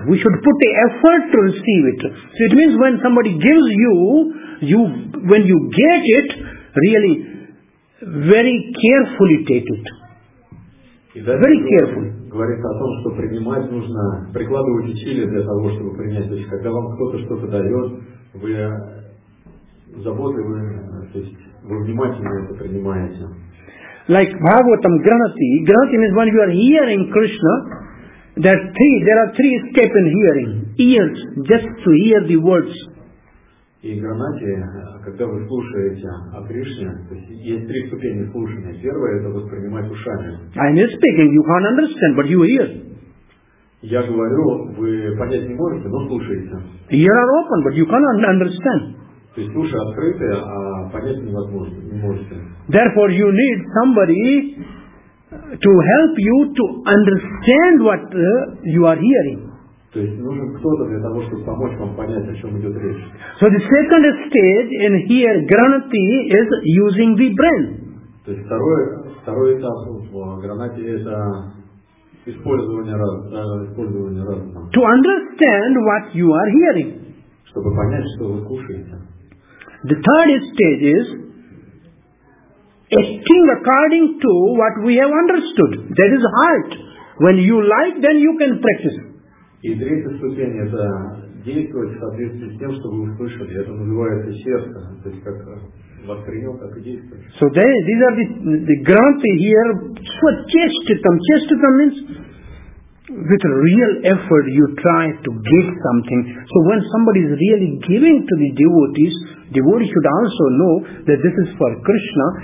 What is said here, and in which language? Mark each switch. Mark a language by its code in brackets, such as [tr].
[en] We should put the effort to receive it. So it means when somebody gives you when you get it, really very carefully take it. Very carefully. [ru] Говорится о том, что принимать нужно, прикладывать усилия для того, чтобы принять. То есть, когда вам кто-то что-то дает, вы заботливы, то есть, вы внимательно это принимаете. [en] Like Bhagavatam Granati. Granati means when you are hearing Krishna, there are three steps in hearing. Ears, just to hear the words. [ru] И Granati, когда вы слушаете о Кришне, то есть есть три ступени слушания. Первое это воспринимать ушами. [en] I'm speaking, you can't understand, but you hear. [ru] Я говорю, вы понять не можете, но слушаете. [en] Ears are open, but you can't understand. [ru] То есть уши открыты, а понять невозможно, не можете. [en] Therefore you need somebody to help you to understand what you are hearing. [ru] То есть нужен кто-то для того, чтобы помочь вам понять, о чем идет речь. [en] So the second stage in here, granati, is using the brain. [ru] То есть второй этап в гранате это использование разума. [en] To understand what you are hearing. [ru] Чтобы понять, что вы кушаете. [en] The third stage is acting according to what we have understood. That is heart. When you like, then you can practice. [ru] И третья ступень это действовать в соответствии с тем, что вы услышали. Это называется сердце. То есть как воспринял, как и действовать. [en] So these are the granti here. So chestitam. Chestitam means with real effort you try to get something. So when somebody is really giving to the devotees, devotees should also know that this is for Krishna.